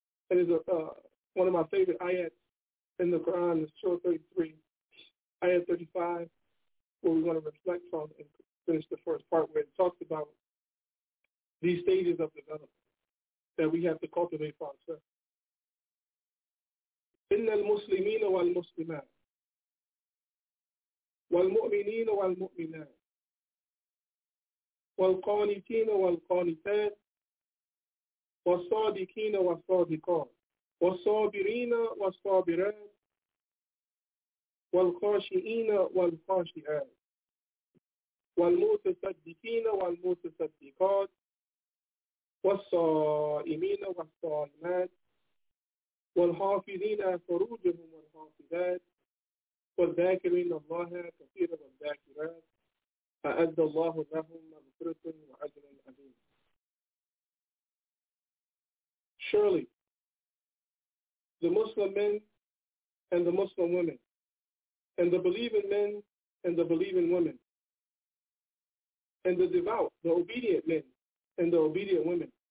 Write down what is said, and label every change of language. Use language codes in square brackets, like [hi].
[en] That is one of my favorite ayats in the Quran, is Surah 33, ayat 35, where we want to reflect on and finish the first part where it talks about these stages of development that we have to cultivate for ourselves. [ar] إِنَّ الْمُسْلِمِينَ وَالْمُسْلِمَاتِ وَالْمُؤْمِنِينَ وَالْمُؤْمِنَاتِ والقانتين والقانتات والصادقين والصادقات والصابرين والصابرات والخاشئين والخاشئات والمتصدقين والمتصدقات والصائمين والصائمات والحافظين فروجهم والحافظات والذاكرين الله كثيرا والذاكرات فأدى الله لهم مغفرة وأجر عظيم. [en] Surely, the Muslim men and the Muslim women, and the believing men and the believing women, and the devout, the obedient men and the obedient women,